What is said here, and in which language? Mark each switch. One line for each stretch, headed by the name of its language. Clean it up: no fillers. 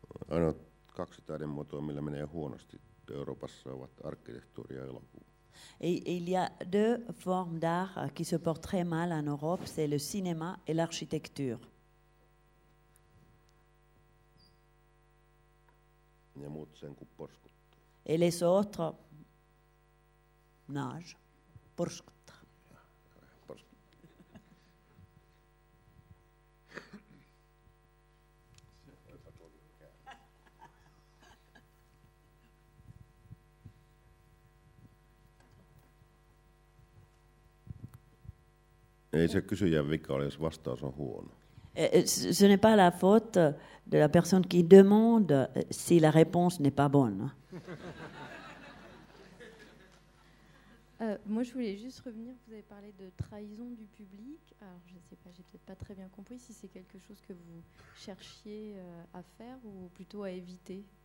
Finnish: Ainoat kaksi taidemuotoa, millä menee huonosti Euroopassa, ovat arkkitehtuuri ja elokuva.
French: Et il y a deux formes d'art qui se portent très mal en Europe, c'est le cinéma et l'architecture.
Finnish: Ja muut sen kuin porskuttaa.
French: Et les autres nagent, porskuttaa.
Finnish: Ei se kysyjän vika ole, jos vastaus on huono.
French: Ce n'est pas la faute de la personne qui demande si la réponse n'est pas bonne. Moi, je voulais juste revenir. Vous avez parlé de trahison du public. Alors, je ne sais pas, j'ai peut-être pas très bien compris si c'est quelque chose que vous cherchiez à faire ou plutôt à éviter.